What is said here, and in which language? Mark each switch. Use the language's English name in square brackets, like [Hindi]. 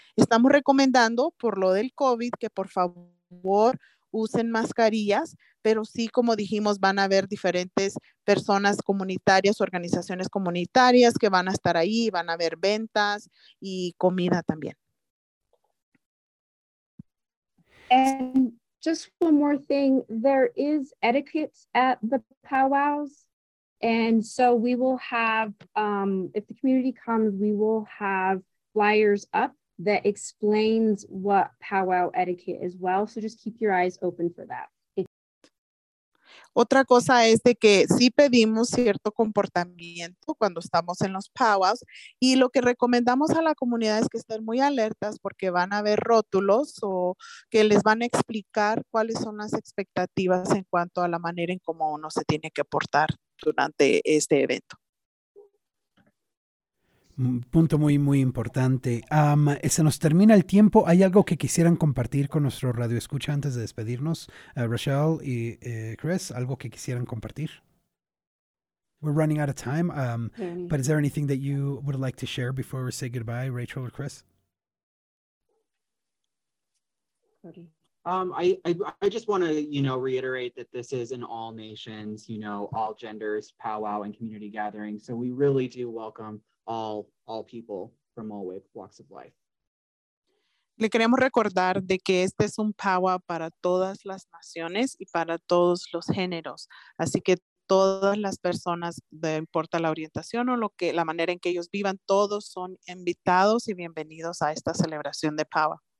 [Spanish] Estamos recomendando, por lo del COVID, que por favor usen mascarillas, pero sí, como dijimos, van a haber diferentes personas comunitarias, organizaciones comunitarias que van a estar ahí, van a haber ventas y comida también. [English] And just one more thing, there is etiquette at the powwows. And so we will have, if the community comes, we will have flyers up that explains what powwow etiquette as well. So just keep your eyes open for that. [Spanish] Otra cosa es de que sí pedimos cierto comportamiento cuando estamos en los powwows, y lo que recomendamos a la comunidad es que estén muy alertas porque van a haber rótulos o que les van a explicar cuáles son las expectativas en cuanto a la manera en cómo uno se tiene que portar durante este evento. Punto muy, muy importante. Se nos termina el tiempo. ¿Hay algo que quisieran compartir con nuestro radioescucha antes de despedirnos? Rochelle y Chris, ¿algo que quisieran compartir? [English] We're running out of time, but is there anything that you would like to share before we say goodbye, Rachel or Chris? I just want to, you know, reiterate that this is an all nations, you know, all genders powwow and community gathering. So we really do welcome all people from all walks of life. [Spanish] Le queremos recordar de que este es un powwow para todas las naciones y para todos los géneros. Así que todas las personas, no importa la orientación o lo que, la manera en que ellos vivan, todos son invitados y bienvenidos a esta celebración de powwow.